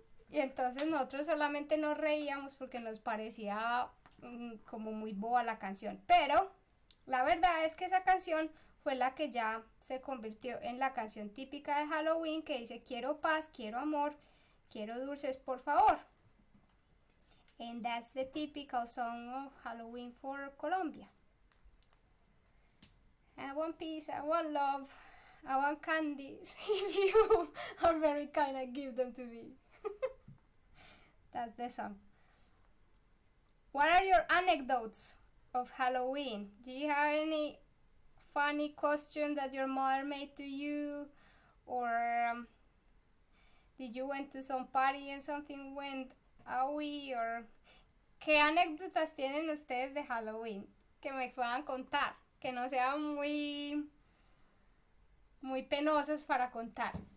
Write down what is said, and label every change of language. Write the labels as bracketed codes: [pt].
[es] Y entonces nosotros solamente nos reíamos porque nos parecía como muy boba la canción. Pero la verdad es que esa canción fue la que ya se convirtió en la canción típica de Halloween, que dice, quiero paz, quiero amor, quiero dulces, por favor. [en] And that's the typical song of Halloween for Colombia. I want peace, I want love, I want candies. If you are very kind, I give them to me. That's the song. What are your anecdotes of Halloween? Do you have any funny costume that your mother made to you? Or did you went to some party and something went awry? [es] Or ¿qué anécdotas tienen ustedes de Halloween que me puedan contar? Que no sean muy, muy penosas para contar.